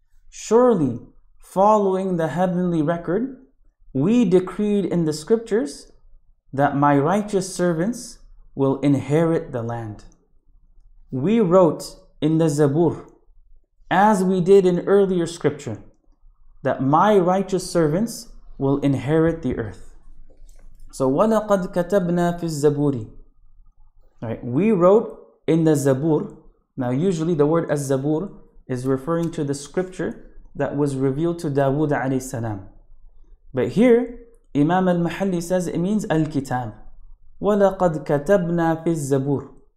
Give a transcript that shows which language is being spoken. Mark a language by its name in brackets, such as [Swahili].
[English] Surely, following the heavenly record, we decreed in the scriptures that my righteous servants will inherit the land. We wrote in the Zabur, as we did in earlier scripture, that my righteous servants will inherit the earth. [Arabic] So, وَلَقَدْ كَتَبْنَا فِي الزَّبُورِ. [English] Right, we wrote in the Zabur. Now, usually the word al-Zabur is referring to the scripture that was revealed to Dawood alayhi salam. But here, Imam al-Mahalli says it means al-Kitab. [Arabic] وَلَقَدْ كَتَبْنَا فِي الزَّبُورِ.